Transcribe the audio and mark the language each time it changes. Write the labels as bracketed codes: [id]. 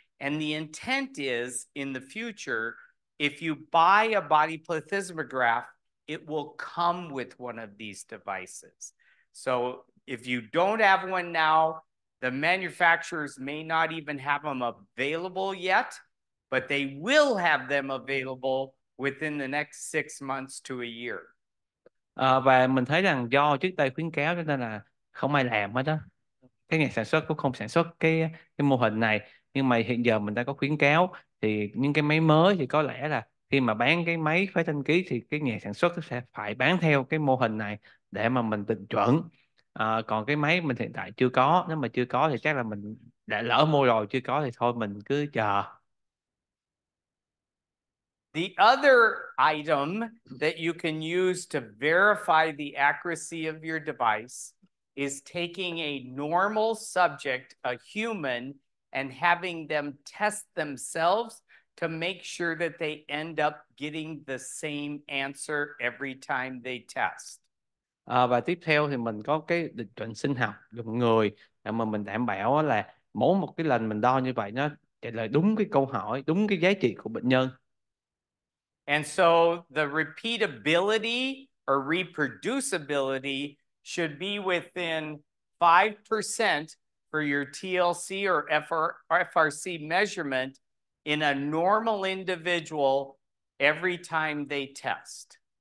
[en] And the intent is, in the future, if you buy a body plethysmograph, it will come with one of these devices. So if you don't have one now, the manufacturers may not even have them available yet, but they will have them available within the next 6 months to a year. [vi] Và mình thấy rằng do trước đây khuyến cáo cho nên là không ai làm hết đó. Cái nhà sản xuất cũng không sản xuất cái mô hình này. Nhưng mà hiện giờ mình đã có khuyến cáo, thì những cái máy mới thì có lẽ là khi mà bán cái máy phải đăng ký thì cái nhà sản xuất sẽ phải bán theo cái mô hình này để mà mình định chuẩn. Còn cái máy mình hiện tại chưa có. Nếu mà chưa có thì chắc là mình đã lỡ mua rồi, chưa có thì thôi mình cứ chờ. [en] The other item that you can use to verify the accuracy of your device is taking a normal subject, a human, and having them test themselves to make sure that they end up getting the same answer every time they test. [vi] Và tiếp theo thì mình có cái định chuẩn sinh học dùng người, mà mình đảm bảo là mỗi một cái lần mình đo như vậy nó trả lời đúng cái câu hỏi, đúng cái giá trị của bệnh nhân. [en] And so the repeatability or reproducibility should be within 5% for your TLC or FRC measurement in a normal individual every time they test.